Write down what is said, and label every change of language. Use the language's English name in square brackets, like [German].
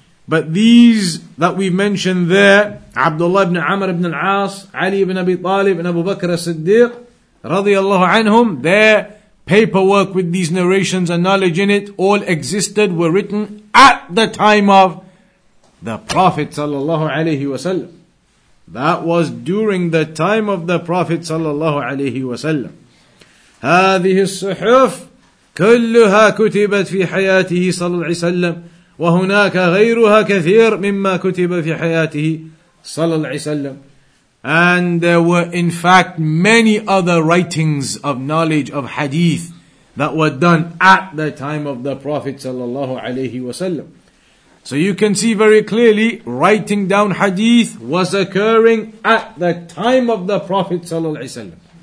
[English] But these that we mentioned there, Abdullah ibn Amr ibn al-As, Ali ibn Abi Talib and Abu Bakr as-Siddiq radiallahu anhum, their paperwork with these narrations and knowledge in it all existed, were written at the time of the Prophet sallallahu alayhi wasallam. That was during the time of the Prophet sallallahu alayhi wasallam. [Arabic] هذه الصحف كلها كتبت في حياته صلى الله عليه وسلم وهناك غيرها كثير مما كتب في حياته صلى الله عليه وسلم. [English] And there were in fact many other writings of knowledge of hadith that were done at the time of the Prophet sallallahu alayhi wasallam. So you can see very clearly, writing down hadith was occurring at the time of the Prophet ﷺ.